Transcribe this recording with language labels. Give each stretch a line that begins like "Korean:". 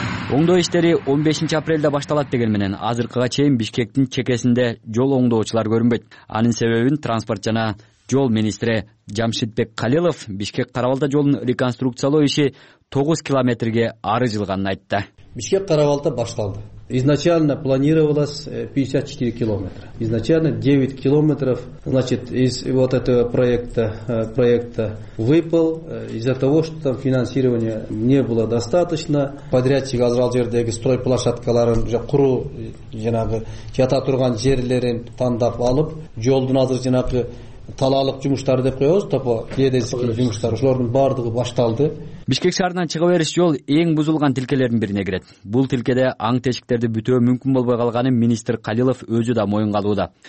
Kyrgyz: Оңдоо иштери 15 апрелде башталат деген менен азыркыга чейин Бишкектин чекесинде жол оңдоочулар көрүнбөйт. Анын себебин транспорт жана жол министри Жамшитбек Калилов Бишкек Карабалта жолун реконструкциялоо иши 9 километрге ары жылганын айтты. Бишкек Карабалта башталды.
Russian: Изначально планировалось 54 километра. Изначально 9 километров, значит, из вот этого проекта выпал из-за того, что там финансирования не было достаточно.
Kyrgyz: Подрядчик азрал жердеги стройплощадкаларын же куру жанагы жата турган жерлерин тандап алып жолдун азыр жанагы талаалык жумуштар деп коебуз, топо геодезик жумуштар, ошолордун баардыгы башталды. Бишкек шаарынан чыга бериш жол эң бузулган тилкелердин бирине кирет. Бул тилкеде аң тешиктерди бүтөө мүмкүн болбой калганын министр Калилов өзү да моюнгалууда.